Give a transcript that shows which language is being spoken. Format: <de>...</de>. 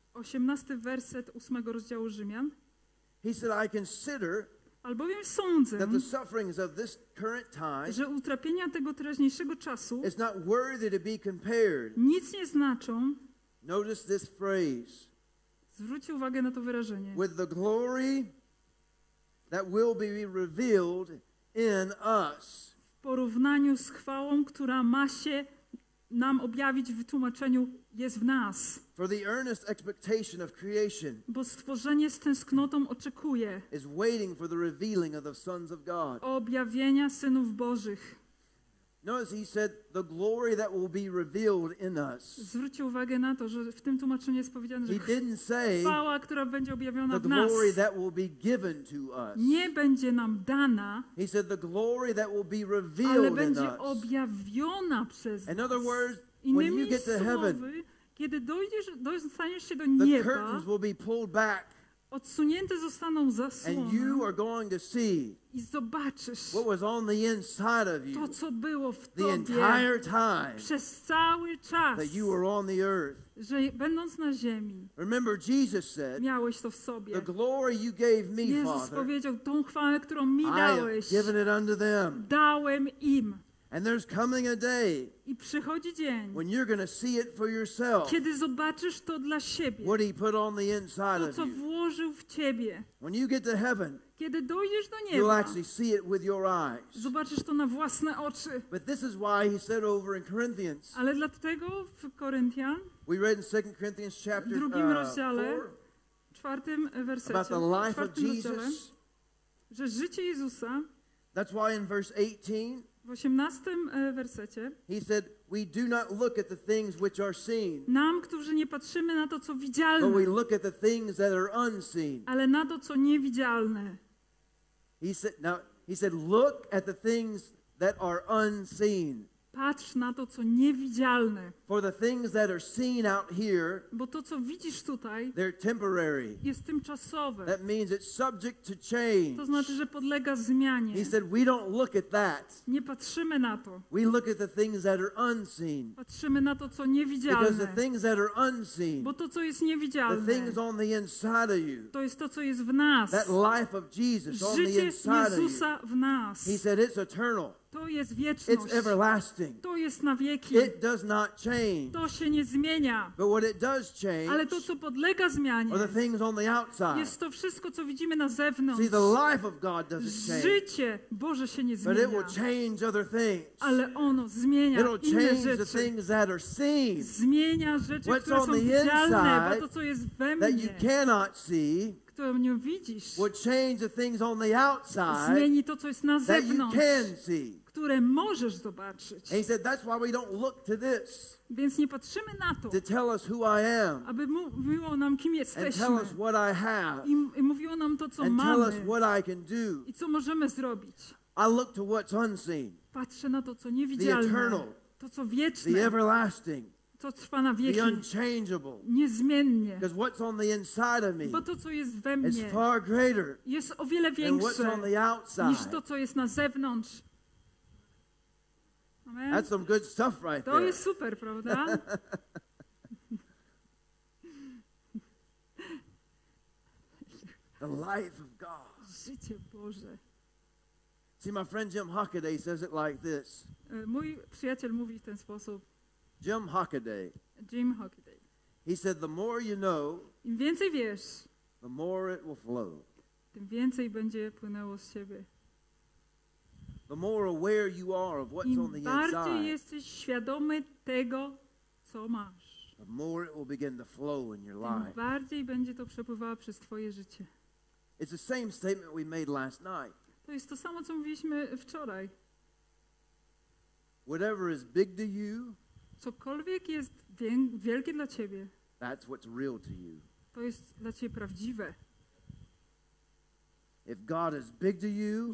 <pl>18 werset 8 rozdziału Rzymian.</pl> <en>He said, I consider</en> <pl>albowiem sądzę,</pl> <en>that the sufferings of this current time,</en> <pl>że utrapienia tego teraźniejszego czasu</pl> <en>is not worthy to be compared.</en> <pl>Nic nie znaczą.</pl> <en>Notice this phrase.</en> <pl>Zwróć uwagę na to wyrażenie.</pl> <en>With the glory that will be revealed in us.</en> <pl>W porównaniu z chwałą, która ma się nam objawić w tłumaczeniu jest w nas.</pl> <en>For the earnest expectation of creation,</en> <pl>bo stworzenie z tęsknotą oczekuje,</pl> <en>is waiting for the revealing of the sons of God.</en> <pl>Objawienia synów Bożych.</pl> <en>Notice he said, the glory that will be revealed in us.</en> <pl>Zwróćcie uwagę na to, że w tym tłumaczeniu jest powiedziane, że chwała, która będzie objawiona w nas,</pl> <en>the glory that will be given to us.</en> <pl>Nie będzie nam dana.</pl> <en>He said, the glory that will be revealed</en> <pl>ale będzie</pl> <en>in us.</en> <pl>Objawiona przez</pl> <en>in other words,</en> <pl>nas.</pl> <en>When you get to heaven,</en> <pl>kiedy dojdziesz, dostaniesz się do nieba,</pl> <en>the curtains will be pulled back,</en> <pl>odsunięte zostaną zasłony,</pl> <en>and you are going to see</en> <pl>i zobaczysz</pl> <en>what was on the inside of you,</en> <pl>to, co było w</pl> <en>the</en> <pl>tobie</pl> <en>entire time</en> <pl>przez cały czas,</pl> <en>that you were on the earth.</en> <pl>Że będąc na ziemi,</pl> <en>remember Jesus said,</en> <pl>miałeś to w sobie.</pl> <en>The glory you gave me,</en> <pl>Jezus</pl> <en>Father,</en> <pl>powiedział, tą chwałę, którą mi dałeś,</pl> <en>given it unto them.</en> <pl>Dałem im.</pl> <en>And there's coming a day</en> <pl>i przychodzi dzień,</pl> <en>when you're going to see it for yourself,</en> <pl>kiedy zobaczysz to dla siebie,</pl> <en>what he put on the inside</en> <pl>to, co włożył w ciebie.</pl> <en>When you get to heaven,</en> <pl>kiedy dojdziesz do nieba,</pl> <en>you'll actually see it with your eyes.</en> <pl>Zobaczysz to na własne oczy.</pl> <en>But this is why he said over in Corinthians,</en> <pl>ale dlatego w Koryntian,</pl> <en>we read in 2 Corinthians chapter 4,</en> <pl>drugim rozdziale, czwartym wersecie,</pl> <en>about the life of Jesus,</en> <pl>że życie Jezusa,</pl> <en>That's why in verse 18,</en> <pl>w 18 wersecie,</pl> <en>he said, we do not look at the things which are seen.</en> <pl>Nam, którzy nie patrzymy na to, co widzialne.</pl> <en>But we look at the things that are unseen.</en> <pl>Ale na to, co niewidzialne.</pl> <en>He said, now, he said, look at the things that are unseen.</en> <pl>Patrz na to, co niewidzialne.</pl> <en>For the things that are seen out here,</en> <pl>bo to, co widzisz tutaj,</pl> <en>they're temporary.</en> <pl>Jest tymczasowe.</pl> <en>That means it's subject to change.</en> <pl>To znaczy, że podlega zmianie.</pl> <en>He said, we don't look at that.</en> <pl>Nie patrzymy na to.</pl> <en>We look at the things that are unseen.</en> <pl>Patrzymy na to, co niewidzialne.</pl> <en>Because the things that are unseen,</en> <pl>bo to, co jest niewidzialne,</pl> <en>the things on the inside of you,</en> <pl>to jest to, co jest w nas,</pl> <en>that life of Jesus</en> <pl>życie</pl> <en>on the inside</en> <pl>Jezusa</pl> <en>of you,</en> <pl>w nas.</pl> <en>He said, it's eternal.</en> <pl>To jest wieczność.</pl> <en>It's everlasting.</en> <pl>To jest na wieki.</pl> <en>It does not change.</en> <pl>To się nie zmienia.</pl> <en>But what it does change,</en> <pl>ale to, co podlega zmianie,</pl> <en>are the things on the outside.</en> <pl>Jest to wszystko, co widzimy na zewnątrz.</pl> <en>See, the life of God doesn't change.</en> <pl>Życie Boże się nie zmienia.</pl> <en>But it will change other things.</en> <pl>Ale ono zmienia</pl> <en>it'll</en> <pl>inne</pl> <en>change</en> <pl>rzeczy.</pl> <en>The things that are seen.</en> <pl>Zmienia rzeczy,</pl> <en>what's</en> <pl>które</pl> <en>on</en> <pl>są</pl> <en>the</en> <pl>widzialne,</pl> <en>inside,</en> <pl>bo to, co jest we mnie,</pl> <en>that you cannot see,</en> <pl>które nie widzisz,</pl> <en>will change the things on the outside,</en> <pl>zmieni to, co jest na zewnątrz,</pl> <en>that you can see,</en> <pl>które możesz zobaczyć.</pl> <en>And he said, that's why we don't look to this,</en> <pl>więc nie patrzymy na to,</pl> <en>to tell us who I am,</en> <pl>aby mówiło nam, kim jesteśmy,</pl> <en>and tell us what I have,</en> <pl>i mówiło nam to, co</pl> <en>and</en> <pl>mamy,</pl> <en>tell us what I can do,</en> <pl>i co możemy zrobić.</pl> <en>I look to what's unseen,</en> <pl>patrzę na to, co niewidzialne,</pl> <en>the eternal,</en> <pl>to, co wieczne,</pl> <en>the everlasting,</en> <pl>to trwa na wieki,</pl> <en>the unchangeable,</en> <pl>niezmiennie,</pl> <en>because what's on the inside of me,</en> <pl>bo to, co jest we mnie,</pl> <en>is far greater,</en> <pl>jest o wiele większe,</pl> <en>than what's on the outside,</en> <pl>niż to, co jest na zewnątrz.</pl> <en>Amen. That's some good stuff right</en> <pl>to</pl> <en>there.</en> <pl>Jest super, prawda?</pl> <en>The life of God.</en> <pl>Życie Boże.</pl> <en>See, my friend Jim Hockaday says it like this.</en> <pl>Mój przyjaciel mówi w ten sposób.</pl> <en>Jim Hockaday. He said, the more you know,</en> <pl>im więcej wiesz,</pl> <en>the more it will flow.</en> <pl>Tym więcej będzie płynęło z ciebie.</pl> <en>The more aware you are of what's</en> <pl>im</pl> <en>on the</en> <pl>bardziej</pl> <en>inside,</en> <pl>jesteś świadomy tego, co masz,</pl> <en>the more it will begin to flow in your</en> <pl>tym</pl> <en>life.</en> <pl>Bardziej będzie to przepływało przez twoje życie.</pl> <en>It's the same statement we made last night.</en> <pl>To jest to samo, co mówiliśmy wczoraj.</pl> <en>Whatever is big to you,</en> <pl>cokolwiek jest wielkie dla ciebie,</pl> <en>that's what's real to you.</en> <pl>To jest dla ciebie prawdziwe.</pl> <en>If God is big to you,</en>